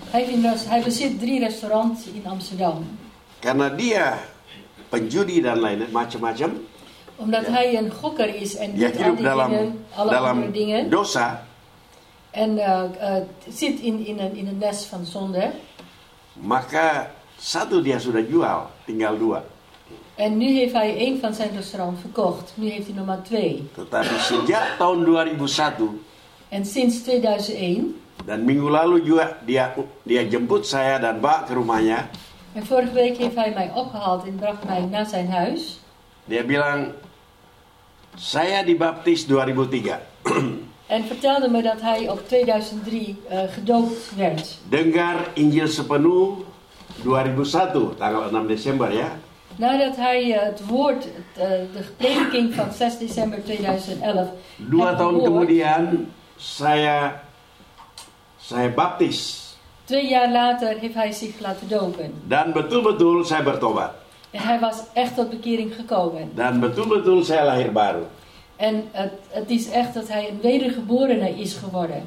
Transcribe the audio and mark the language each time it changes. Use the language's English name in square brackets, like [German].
[Dutch] Hij bezit drie restaurants in Amsterdam. [Indonesian] Karena dia penjudi dan lain macam-macam. [Dutch] Omdat hij een gokker is en [Indonesian] dia hidup dalam dosa. [Dutch] En zit in een nest van zonde. [Indonesian] Maka satu dia sudah jual, tinggal dua. [Dutch] En nu heeft hij één van zijn restaurant verkocht. Nu heeft hij nog maar twee. [Indonesian] Tetapi sejak tahun 2001. [Dutch] En sinds 2001. [Indonesian] Dan minggu lalu juga dia jemput saya dan bawa ke rumahnya. [Dutch] En vorige week heeft hij mij opgehaald en bracht mij naar zijn huis. [Indonesian] Dia bilang, saya dibaptis 2003. [Dutch] En vertelde me dat hij op 2003 gedoopt werd. [Indonesian] Dengar Injil sepenuh 2001, tanggal 6 Desember ya. [Dutch] Nadat hij het woord, de prediking van 6 Desember 2011. [Indonesian] Dua tahun gehoord, kemudian saya baptis. [Dutch] Twee jaar later heeft hij zich laten dopen. [Indonesian] Dan betul-betul saya bertobat. [Dutch] En hij was echt tot bekering gekomen. [Indonesian] Dan betul-betul saya lahir baru. [Dutch] En het is echt dat hij een wedergeborene is geworden.